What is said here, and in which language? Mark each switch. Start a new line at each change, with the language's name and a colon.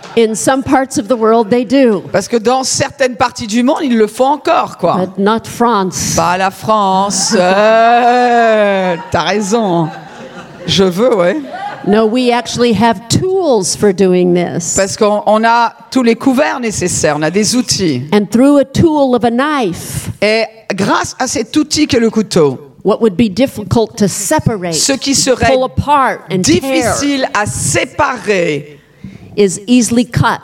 English: In some parts of the world, they do.
French: Parce que dans certaines parties du monde, ils le font encore, quoi.
English: But not France.
French: Pas la France. T'as raison. Je veux, ouais.
English: No, we actually have tools for doing this.
French: Parce qu'on a tous les couverts nécessaires, on a des outils.
English: And through a tool of a knife.
French: Et grâce à cet outil qu'est le couteau.
English: What would be difficult to separate,
French: ce qui serait
English: pull apart and
French: difficile
English: tear,
French: à séparer
English: is easily cut.